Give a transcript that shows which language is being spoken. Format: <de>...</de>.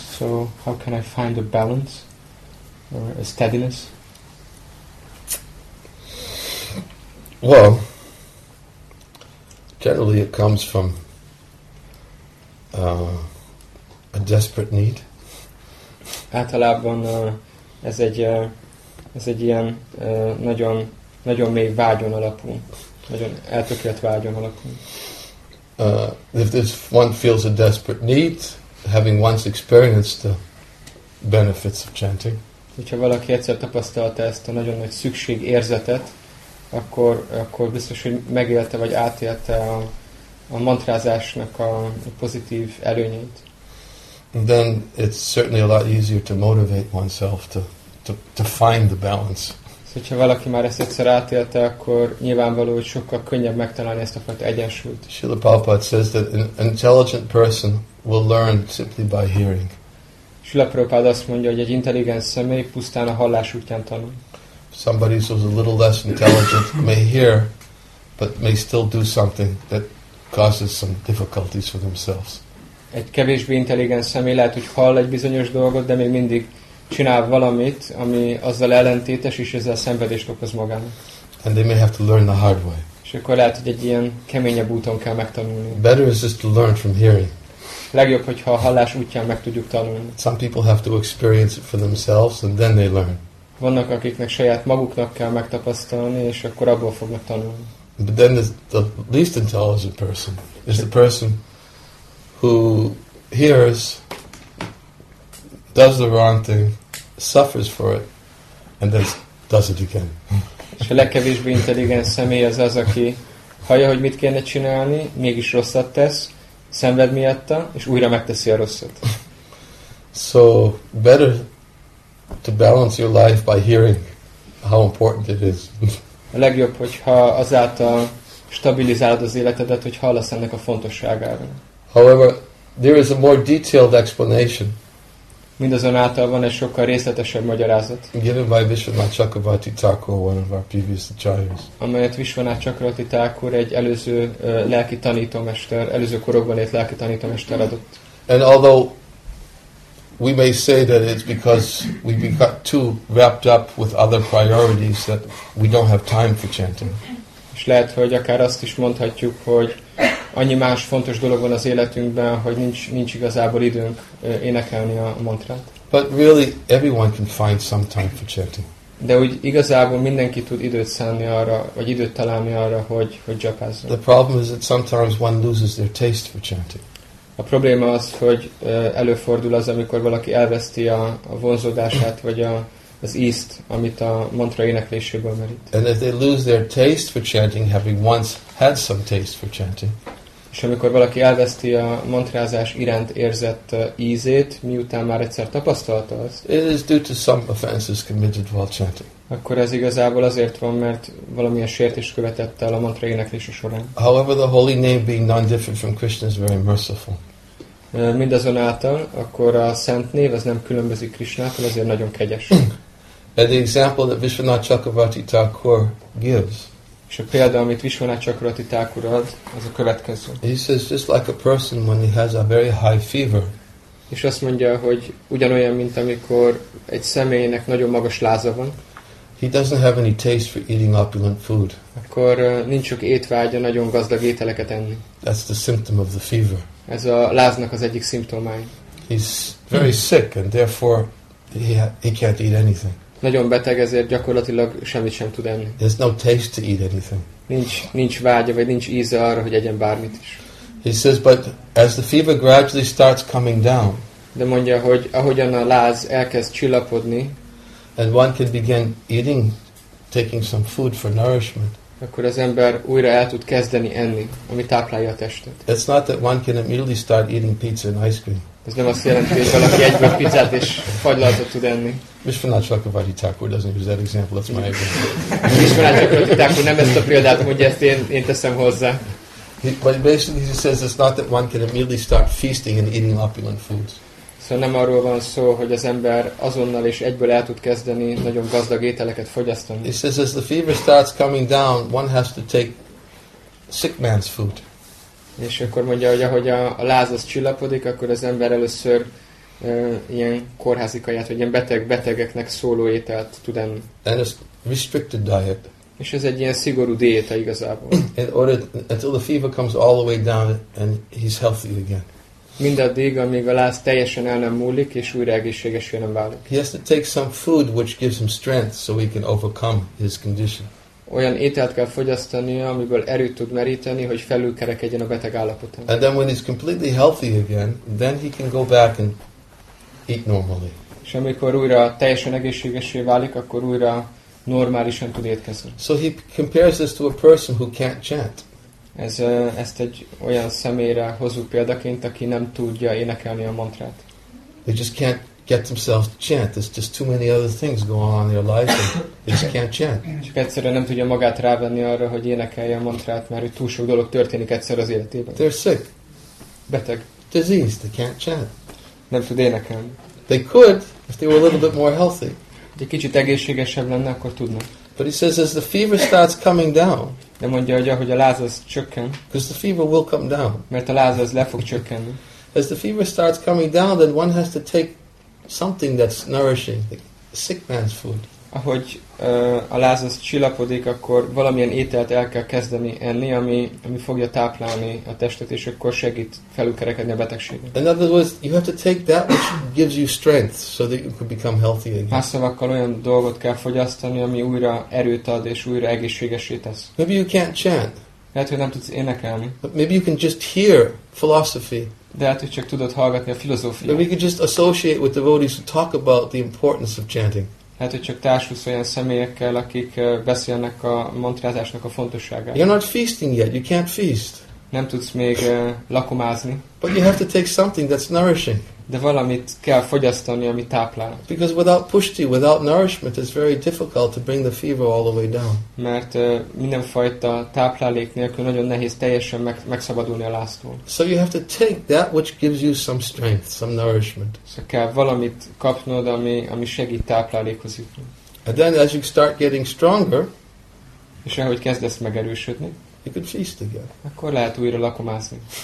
<en>So how can I find a balance or a steadiness? Well, generally it comes from a desperate need.</en> <hu>Általában ez egy ilyen nagyon nagyon mély vágyon alapul, nagyon eltökélt vágyon alapul.</hu> <en>If this one feels a desperate need, having once experienced the benefits of chanting.</en> <hu>Hogyha valaki egyszer tapasztalta ezt a nagyon nagy szükség érzetet, akkor biztos, hogy megélte vagy átélte a mantrázásnak a pozitív előnyét.</hu> <en>And then it's certainly a lot easier to motivate oneself to find the balance.</en> <hu>Szóval, ha valaki már ezt egyszer átélte, akkor nyilvánvaló, hogy sokkal könnyebb megtalálni ezt a fajta egyensúlyt.</hu> <en>Srila Prabhupada says that an intelligent person will learn simply by hearing.</en> <hu>Srila Prabhupada azt mondja, hogy egy intelligens személy pusztán a hallás útján tanul.</hu> <en>Somebody who's a little less intelligent may hear, but may still do something that causes some difficulties for themselves.</en> <hu>Egy kevésbé intelligens személy lehet, hogy hall egy bizonyos dolgot, de még mindig csinál valamit, ami azzal ellentétes, és ezzel szenvedést okoz magának.</hu> <en>And they may have to learn the hard way.</en> <hu>És akkor lehet, hogy egy ilyen keményebb úton kell megtanulni.</hu> <en>Better is just to learn from hearing.</en> <hu>Legjobb, hogyha a hallás útján meg tudjuk tanulni.</hu> <en>Some people have to experience it for themselves, and then they learn.</en> <hu>Vannak, akiknek saját maguknak kell megtapasztalni, és akkor abból fognak tanulni.</hu> <en>But then the least intelligent person is the person who hears, does the wrong thing, suffers for it, and then does it again.</en> <hu>És a legkevésbé intelligens személy az az, aki hallja, hogy mit kéne csinálni, mégis rosszat tesz, szenved miatta, és újra megteszi a rosszat.</hu> <en>So, better to balance your life by hearing how important it is.</en> <hu>A legjobb, hogyha azáltal stabilizálod az életedet, hogy hallasz ennek a fontosságáról.</hu> <en>However, there is a more detailed explanation.</en> <hu>Mindazonáltal van egy sokkal részletesebb magyarázat.</hu> <en>Given by Vishwanath Chakravarti Thakur, one of our previous acharyas.</en> <hu>Amelyet Vishwanath Chakravarti Thakur, egy előző lelki tanítómester, előző korokban élt lelki tanítómester adott.</hu> <en>And although we may say that it's because we got too wrapped up with other priorities that we don't have time for chanting.</en> <hu>És lehet, hogy akár azt is mondhatjuk, hogy annyi más fontos dolog van az életünkben, hogy nincs igazából időnk énekelni a mantrát.</hu> <en>But really, everyone can find some time for chanting.</en> <hu>De úgy igazából mindenki tud időt szánni arra, vagy időt találni arra, hogy japázzon.</hu> <en>The problem is that sometimes one loses their taste for chanting.</en> <hu>A probléma az, hogy előfordul az, amikor valaki elveszti a vonzódását, vagy az ízt, amit a mantra énekléséből merít.</hu> <en>And if they lose their taste for chanting, having once had some taste for chanting.</en> <hu>És amikor valaki elveszti a mantrázás iránt érzett ízét, miután már egyszer tapasztalta azt,</hu> <en>it is due to some offenses committed while chanting.</en> <hu>Akkor ez igazából azért van, mert valamilyen sértés követett el a mantra éneklése során.</hu> <en>However, the holy name being non-different from Krishna is very merciful.</en> <hu>Mindazonáltal, akkor a szent név az nem különbözik Krishnától, ezért nagyon kegyes.</hu> <en>And the example that Vishwanath Chakravarti Thakur gives.</en> <hu>És a példa, amit Vishwanath Chakravarti Thakur ad, az a következő.</hu> <en>He says, just like a person when he has a very high fever.</en> <hu>És azt mondja, hogy ugyanolyan, mint amikor egy személynek nagyon magas láza van.</hu> <en>He doesn't have any taste for eating opulent food.</en> <hu>Akkor nincs sok étvágya nagyon gazdag ételeket enni.</hu> <en>That's the symptom of the fever.</en> <hu>Ez a láznak az egyik szimptomája.</hu> <en>He's very sick and therefore he can't eat anything.</en> <hu>Nagyon beteg, ezért gyakorlatilag semmit sem tud enni.</hu> <en>There's no taste to eat anything.</en> <hu>Nincs vágya, vagy nincs íze arra, hogy egyen bármit is.</hu> <en>He says, but as the fever gradually starts coming down.</en> <hu>De mondja, hogy ahogyan a láz elkezd csillapodni,</hu> <en>and one can begin eating, taking some food for nourishment.</en> <hu>Akkor az ember újra el tud kezdeni enni, ami táplálja a testet.</hu> <en>It's not that one can immediately start eating pizza and ice cream.</en> <hu>Ez nem azt jelenti, hogy valaki egyből pizzát és fagylaltot tud enni.</hu> <en>Vishwanath Chakravarti Thakur doesn't use that example, that's my example.</en> <hu>Vishwanath Chakravarti Thakur nem ezt a példát mondja, ezt én teszem hozzá.</hu> <en>But basically he says it's not that one can immediately start feasting and eating opulent foods.</en> <hu>Szóval nem arról van szó, hogy az ember azonnal és egyből el tud kezdeni nagyon gazdag ételeket fogyasztani.</hu> <en>He says, as the fever starts coming down, one has to take sick man's food.</en> <hu>És akkor mondja, hogy ahogy a láz az csillapodik, akkor az ember először ilyen kórházi kaját, vagy ilyen betegeknek szóló ételt tud enni.</hu> <en>And it's restricted diet.</en> <hu>És ez egy ilyen szigorú diéta igazából.</hu> <en>In order, until the fever comes all the way down and he's healthy again.</en> <hu>Mindaddig, amíg a láz teljesen el nem múlik, és újra egészségesé nem válik.</hu> <en>He has to take some food which gives him strength, so he can overcome his condition.</en> <hu>Olyan ételt kell fogyasztania, amiből erőt tud meríteni, hogy felülkerekedjen a beteg állapotán.</hu> <en>And then when he's completely healthy again, then he can go back and eat normally.</en> <hu>És amikor újra teljesen egészségesé válik, akkor újra normálisan tud étkezni.</hu> <en>So he compares this to a person who can't chant.</en> <hu>Ezt egy olyan személyre hozó példaként, aki nem tudja énekelni a mantrát.</hu> <en>They just can't get themselves to chant. There's just too many other things going on in their life and they just can't chant.</en> <hu>Csak egyszerűen nem tudja magát rávenni arra, hogy énekelje a mantrát, mert hogy túl sok dolog történik egyszer az életében.</hu> <en>They're sick.</en> <hu>Beteg.</hu> <en>Diseased. They can't chant.</en> <hu>Nem tud énekelni.</hu> <en>They could if they were a little bit more healthy.</en> <hu>Egy kicsit egészségesebb lenne, akkor tudna.</hu> <en>But he says, as the fever starts coming down,</en> <hu>de mondja, hogy ahogy a láz az csökken,</hu> <en>because the fever will come down,</en> <hu>mert a láz az le fog csökkenni.</hu> <en>As the fever starts coming down, then one has to take something that's nourishing, like sick man's food.</en> <hu>Ahogy a láz az csillapodik, akkor valamilyen ételt el kell kezdeni enni, ami fogja táplálni a testet, és akkor segít felülkerekedni a betegségen.</hu> <en>In other words, you have to take that which gives you strength, so that you could become healthy again.</en> <hu>Más szavakkal olyan dolgot kell fogyasztani, ami újra erőt ad, és újra egészségessé tesz.</hu> <en>Maybe you can't chant.</en> <hu>Lehet, hogy nem tudsz énekelni.</hu> <en>But maybe you can just hear philosophy.</en> <hu>De hát, hogy csak tudod hallgatni a filozófiát.</hu> <en>Maybe you can just associate with devotees who talk about the importance of chanting.</en> <hu>Hát, hogy csak társulsz olyan személyekkel, akik beszélnek a mantrázásnak a fontosságáról.</hu> <en>You're not feasting yet. You can't feast.</en> <hu>Nem tudsz még lakomázni.</hu> <en>But you have to take something that's nourishing.</en> <hu>De valamit kell fogyasztani, ami táplál.</hu> <en>Because without pushti, without nourishment, it's very difficult to bring the fever all the way down.</en> <hu>Mert mindenfajta táplálék nélkül nagyon nehéz teljesen megszabadulni a láztól.</hu> <en>So you have to take that which gives you some strength, some nourishment.</en> <hu>Szóval kell valamit kapnod, ami segít táplálékhoz jutni.</hu> <en>And then as you start getting stronger,</en> <hu>és ahogy kezdesz megerősödni,</hu> <en>you can feast again.</en> <hu>Akkor lehet újra lakomázni.</hu>